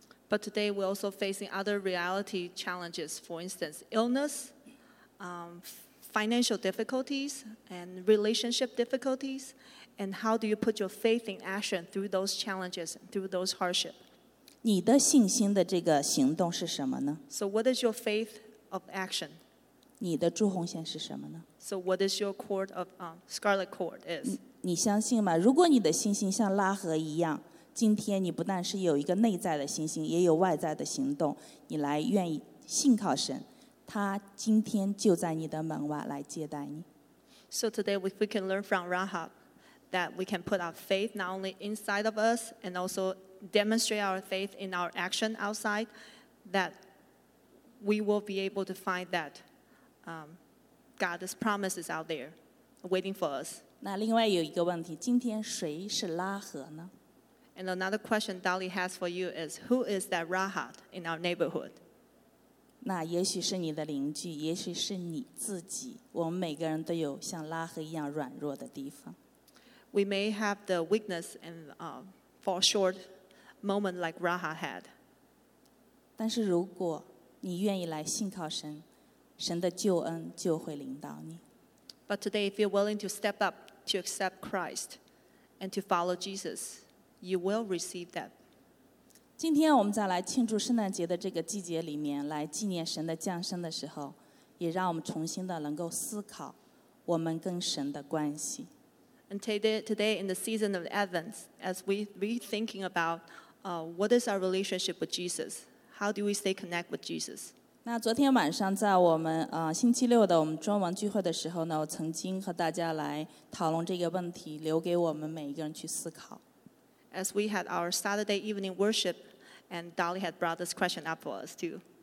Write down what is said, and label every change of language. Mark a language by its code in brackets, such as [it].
[en] But today we're also facing other reality challenges, for instance, illness, financial difficulties, and relationship difficulties. And how do you put your faith in action through those challenges, through those hardships? [zh] 你的信心的这个行动是什么呢？ [en] So what is your faith of action? [zh] 你的朱红线是什么呢？ [en] So what is your cord of scarlet cord is? [zh] 你相信吗？如果你的信心像拉合一样，今天你不但是有一个内在的信心，也有外在的行动，你来愿意信靠神，他今天就在你的门外来接待你。 [en] So today if we can learn from Rahab that we can put our faith not only inside of us and also demonstrate our faith in our action outside, that we will be able to find that God's promise is out there waiting for us. [zh] 那另外有一个问题，今天谁是拉合呢？ [en] And another question Dolly has for you is, who is that Rahab in our neighborhood? [zh] 那也许是你的邻居，也许是你自己。我们每个人都有像拉合一样软弱的地方。 [en] We may have the weakness and fall short moment like Rahab had. [zh] 但是如果你愿意来信靠神，神的救恩就会临到你。 [en] But today, if you're willing to step up to accept Christ and to follow Jesus, you will receive that. [zh] 今天我们在来庆祝圣诞节的这个季节里面，来纪念神的降生的时候，也让我们重新的能够思考我们跟神的关系。 [en] And today in the season of Advent, as we rethinking about what is our relationship with Jesus, how do we stay connect with Jesus? [zh] 那昨天晚上在我们星期六的我们中文聚会的时候呢，我曾经和大家来讨论这个问题，留给我们每一个人去思考。 [en] As we had our Saturday evening worship, and Dolly had brought this question up for us too.